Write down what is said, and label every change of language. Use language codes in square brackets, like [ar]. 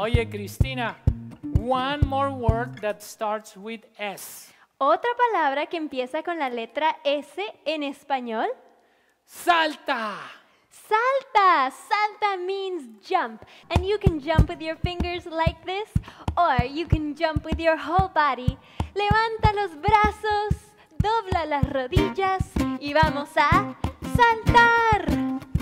[en] Cristina, one more word that starts with S. [es] ¿Otra palabra que empieza con la letra S en español? ¡Salta! ¡Salta! [en] Salta means jump. And you can jump with your fingers like this, or you can jump with your whole body. [es] Levanta los brazos, dobla las rodillas, y vamos a saltar.